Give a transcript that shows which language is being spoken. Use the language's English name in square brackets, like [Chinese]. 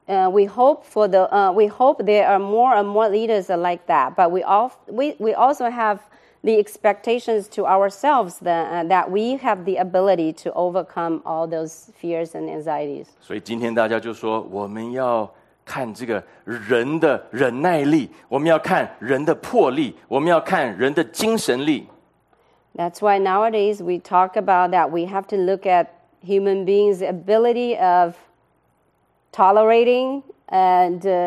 [English] We hope there are more and more leaders like that, but we also have the expectations to ourselves that we have the ability to overcome all those fears and anxieties. [Chinese] 所以今天大家就说，我们要看这个人的忍耐力，我们要看人的魄力，我们要看人的精神力。 [English] That's why nowadays we talk about that we have to look at human beings' ability of tolerating and